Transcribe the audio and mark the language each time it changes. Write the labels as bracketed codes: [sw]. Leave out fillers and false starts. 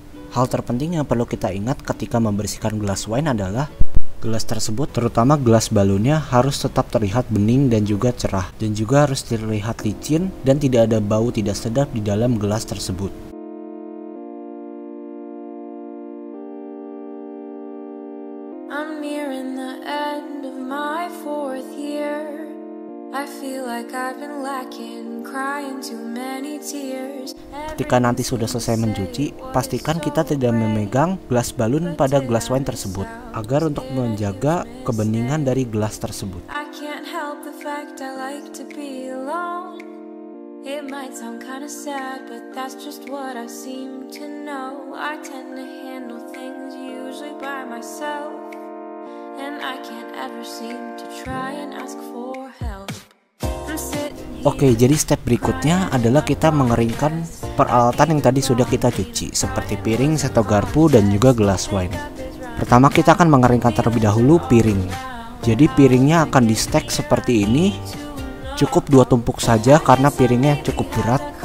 [id] Hal terpenting yang perlu kita ingat ketika membersihkan gelas wine adalah gelas tersebut, terutama gelas balonnya, harus tetap terlihat bening dan juga cerah, dan juga harus terlihat licin dan tidak ada bau tidak sedap di dalam gelas tersebut. [en] I'm nearing the end of my fourth year. I feel like I've been lacking, crying too many tears. [id] Ketika nanti sudah selesai mencuci, pastikan kita tidak memegang gelas balon pada gelas wine tersebut agar untuk menjaga kebeningan dari gelas tersebut. [en] I can't help the fact I like to be alone. It might sound kind of sad, but that's just what I seem to know. I tend to handle things usually by myself, and I can't ever seem to try and ask for help. [id] Oke, jadi step berikutnya adalah kita mengeringkan peralatan yang tadi sudah kita cuci, seperti piring, seto garpu, dan juga gelas wine. Pertama, kita akan mengeringkan terlebih dahulu piring. Jadi piringnya akan di stack seperti ini, cukup 2 tumpuk saja karena piringnya cukup berat.